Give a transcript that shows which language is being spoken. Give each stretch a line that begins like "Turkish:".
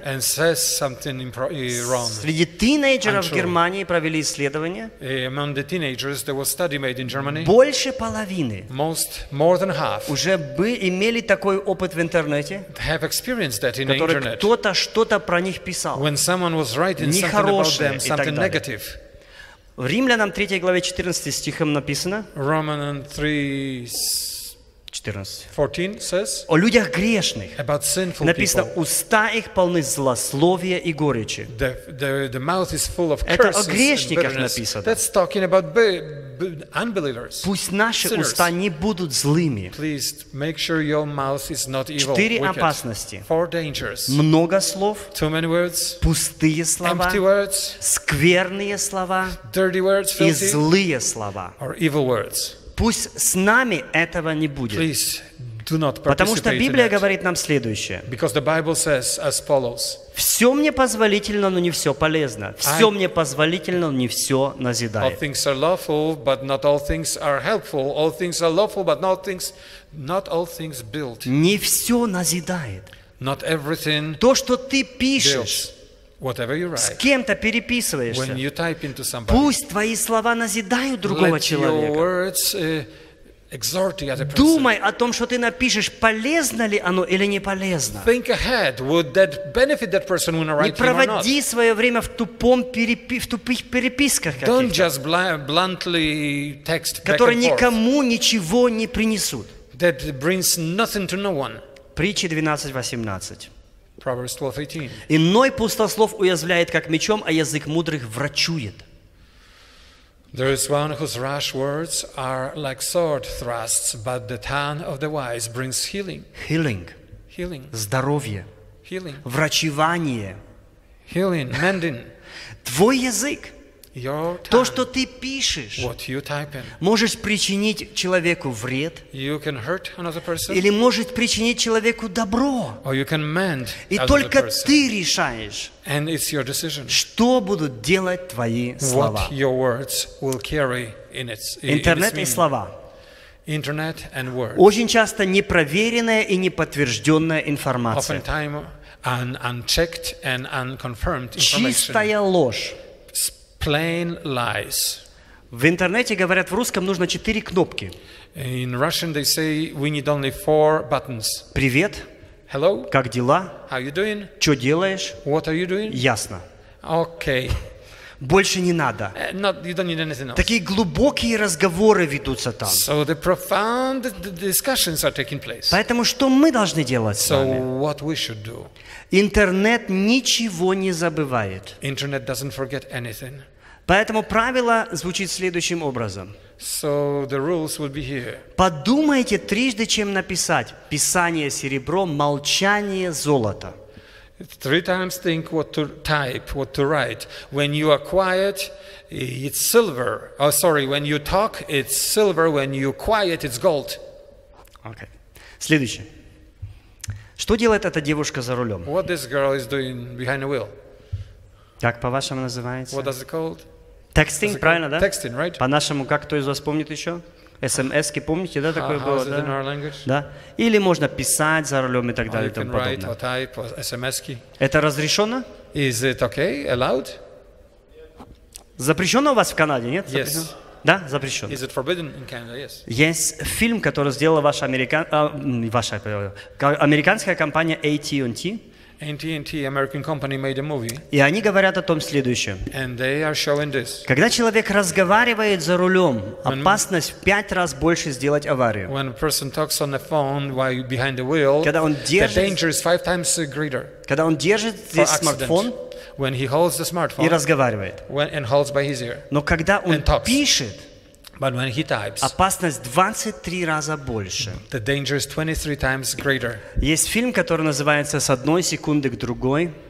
English: and says something wrong.
Russian: Среди тинейджеров в Германии провели исследование,
English: among the teenagers, there was study made in Germany.
Russian: Больше половины
English: more than half
Russian: уже бы имели такой опыт в интернете,
English: have experienced that in
Russian: который
English: internet,
Russian: кто-то что-то про них писал,
English: when someone was writing
Russian: нехорошее
English: something about them, something negative.
Russian: В Римлянам 3 главе 14 стихом написано.
English: Romans 3:14 says.
Russian: О людях грешных.
English: About sinful people.
Russian: Написано: уста их полны злословия и горечи.
English: The mouth is full of curses.
Russian: Это о грешниках написано.
English: That's talking about unbelievers.
Russian: Пусть наши уста не будут злыми.
English: Please make sure your mouth is not evil.
Russian: Четыре опасности.
English: Four dangers.
Russian: Много слов.
English: Too many words.
Russian: Пустые слова.
English: Empty words.
Russian: Скверные слова.
English: Dirty words.
Russian: И злые слова.
English: Or evil words.
Russian: Пусть с нами этого не будет.
English: Please do not participate.
Russian: Потому что Библия говорит нам следующее.
English: Because the Bible says as follows.
Russian: Все мне позволительно, но не все полезно. Все мне позволительно, но не все назидает.
English: All things are lawful, but not all things are helpful. All things are lawful, but not all things build.
Russian: Не все назидает.
English: Not everything.
Russian: То, что ты пишешь.
English: Whatever you write,
Russian: с кем-то переписываешься.
English: When you type into somebody,
Russian: пусть твои слова назидают другого человека.
English: Let your words exhort the other person.
Russian: Думай о том, что ты напишешь, полезно ли оно или не полезно.
English: Think ahead, would that benefit that person when I write him or not?
Russian: Не проводи свое время в тупых переписках каких-то.
English: Don't just bluntly text back,
Russian: которые никому ничего не принесут.
English: That brings nothing to no one.
Russian: Притчи 12:18.
English: Proverbs 12:18.
Russian: Иной пустослов уязвляет как мечом, а язык мудрых врачует.
English: There is one whose rash words are like sword thrusts, but the tongue of the wise brings healing. Healing. Healing.
Russian: Здоровье.
English: Healing.
Russian: Врачевание.
English: Healing. Mending.
Russian: Твой язык.
English: Your tongue.
Russian: То, что ты пишешь.
English: What you type in.
Russian: Можешь причинить человеку вред.
English: You can hurt another person.
Russian: Или может причинить человеку добро.
English: Or you can mend another person.
Russian: И только ты решаешь.
English: And it's your decision.
Russian: Что будут делать твои слова?
English: What your words will carry in its meaning.
Russian: Интернет и слова.
English: Internet and words.
Russian: Очень часто непроверенная и неподтвержденная информация.
English: Oftentimes an unchecked and unconfirmed information.
Russian: Чистая ложь.
English: Plain lies.
Russian: В интернете говорят, в русском нужно 4 кнопки.
English: In Russian they say we need only 4 buttons.
Russian: Привет.
English: Hello.
Russian: Как дела?
English: How you doing?
Russian: Что делаешь?
English: What are you doing?
Russian: Ясно.
English: Okay.
Russian: Больше не надо.
English: Not, you don't need anything else.
Russian: Такие глубокие разговоры ведутся там.
English: So the profound discussions are taking place.
Russian: Поэтому что мы должны делать
English: so
Russian: с вами?
English: What we should do.
Russian: Интернет ничего не забывает.
English: Internet doesn't forget anything.
Russian: Поэтому правило звучит следующим образом.
English: So the rules would be here.
Russian: Подумайте трижды, чем написать. Писание серебро, молчание золото.
English: Three times think what to type, what to write. When you are quiet, it's silver. Oh, sorry, when you talk, it's silver. When you quiet, it's gold. Okay.
Russian: Следующее. Что делает эта девушка за рулем?
English: What this girl is doing behind the wheel?
Russian: Как по-вашему называется?
English: What does it called?
Russian: Texting, правильно, да?
English: Texting, right?
Russian: По-нашему, как кто из вас помнит еще? СМСки, помните, да, такое
English: how
Russian: было?
English: Is
Russian: да?
English: In our language?
Russian: Да. Или можно писать за рулем и так
English: or
Russian: далее и тому подобное.
English: Write or type or SMS-ки.
Russian: Это разрешено?
English: Is it okay? Allowed?
Russian: Запрещено у вас в Канаде, нет?
English: Yes.
Russian: Да, запрещено.
English: Is it forbidden in Canada? Yes.
Russian: Есть фильм, который сделала ваша американская компания AT&T.
English: AT&T, American company, made a movie.
Russian: И они говорят о том следующем.
English: And they are showing this.
Russian: Когда человек разговаривает за рулем, опасность в 5 раз больше сделать аварию.
English: When a person talks on the phone while you're behind the wheel, the danger is 5 times greater.
Russian: Когда он держит смартфон,
English: when he holds the smartphone,
Russian: и разговаривает,
English: and holds by his ear,
Russian: но когда он
English: and talks.
Russian: Пишет,
English: but when he types,
Russian: опасность 23 раза больше.
English: The danger is 23 times greater.
Russian: Есть фильм, который называется «С одной секунды к другой»,